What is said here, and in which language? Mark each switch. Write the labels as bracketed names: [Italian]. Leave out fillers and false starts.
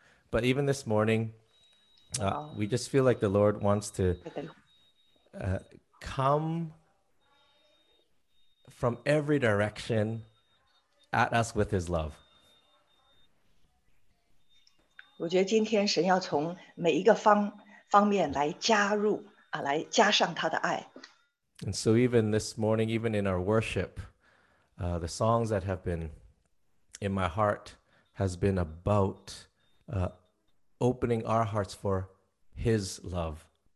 [English] But even this morning, we just feel like the Lord wants to come from every direction at us with his love. [Chinese] 我觉得今天神要从每一个方面来加入啊，来加上他的爱。 [English] And so even this morning, even in our worship, the songs that have been in my heart has been about opening our hearts for his love.